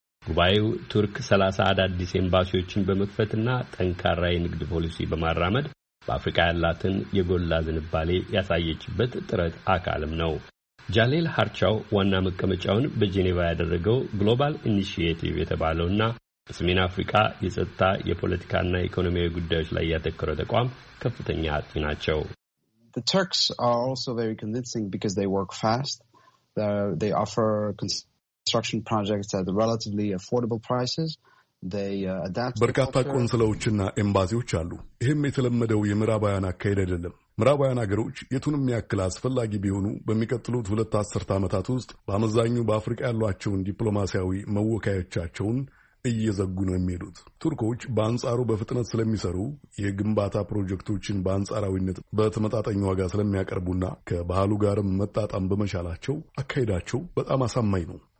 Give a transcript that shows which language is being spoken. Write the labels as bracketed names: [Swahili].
[Amharic] ጉባኤው ቱርክ 30 አዳዲስ ኤምባሲዎችን በመክፈትና ጠንካራ የንግድ ፖሊሲ በማራመድ በአፍሪካ ያላትን የጎላ ዝንባሌ ያሳየችበት ጥረት አካልም ነው። ጃሌል ሃርቻው ዋና መቀመጫውን በጄኔቫ ያደረገው ግሎባል ኢኒሺየቲቭ የተባለውና በሰሜን አፍሪካ የጸጥታ የፖለቲካና ኢኮኖሚያዊ ጉዳዮች ላይ ያተኮረው ተቋም ከፍተኛ አጥኚ ናቸው። [English] The Turks are also very convincing because they work fast. They offer construction projects at relatively affordable prices. [Amharic] በርካታ ቆንስላዎችና ኤምባሲዎች አሉ። ይህም የተለመደው የምዕራባውያን አካሄድ አይደለም። ምዕራባውያን አገሮች የቱንም ያክል አስፈላጊ ቢሆኑ በሚቀጥሉት 2-10 ዓመታት ውስጥ በአመዛኙ በአፍሪካ ያሏቸውን ዲፕሎማሲያዊ መወካያዎቻቸውን እየዘጉ ነው የሚሄዱት። ቱርኮች በአንጻሩ በፍጥነት ስለሚሰሩ የግንባታ ፕሮጀክቶችን በአንጻራዊነት በተመጣጣኝ ዋጋ ስለሚያቀርቡና ከባህሉ ጋርም መጣጣም በመቻላቸው አካሄዳቸው በጣም አሳማኝ ነው።